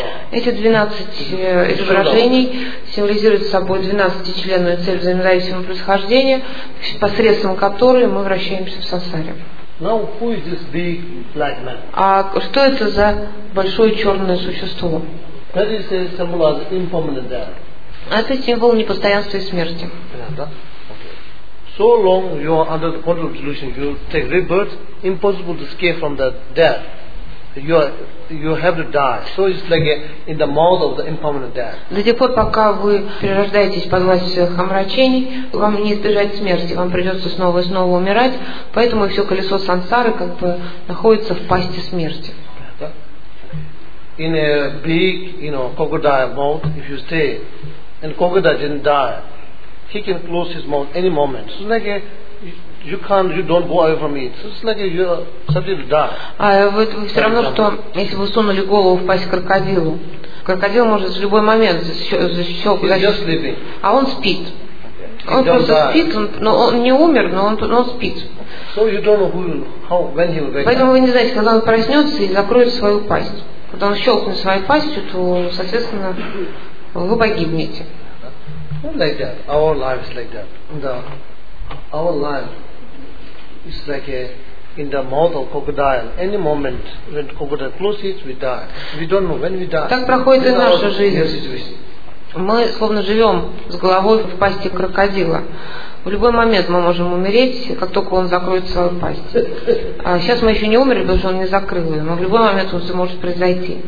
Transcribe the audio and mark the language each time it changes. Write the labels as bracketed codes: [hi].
[ru] Эти 12 изображений символизируют собой 12 членную цель взаимозависимого происхождения, посредством которой мы вращаемся в сансаре. [en] Now, who is this big black man? [ru] А что это за большое черное существо? [en] That is a symbol of impermanent death. [ru] Это символ непостоянства и смерти. [en] So long you are under the control of delusion, you take rebirth, impossible to escape from the death. You have to die. So it's like in the mouth of the impermanent death. [ru] До тех пор, пока вы перерождаетесь под властью омрачений, вам не избежать смерти, вам придется снова и снова умирать. Поэтому все колесо сансары как бы находится в пасти смерти. [en] In a big, crocodile mouth, if you stay, and crocodile didn't die, he can close his mouth any moment. So like you don't go away from it. So it's like you are subject to die. [ru] А вы все равно, что если вы сунули голову в пасть крокодилу, крокодил может в любой момент защелкнуть. А он спит. Он просто спит, но он не умер, но он спит. [en] Okay. So you don't know who, how, when he will wake up. [ru] Поэтому вы не знаете, когда он проснется и закроет свою пасть. Когда он щелкнет своей пастью, то, соответственно, вы погибнете. [en] Like that. Our life is like that. The, our life is like a, in the mouth of crocodile. Any moment when crocodile closes, we die. We don't know when we die. [ru] Так проходит и наша жизнь. Мы словно живем с головой в пасти крокодила. В любой момент мы можем умереть, как только он закроет свою пасть. А сейчас мы еще не умерли, потому что он не закрыл ее, но в любой момент он все может произойти.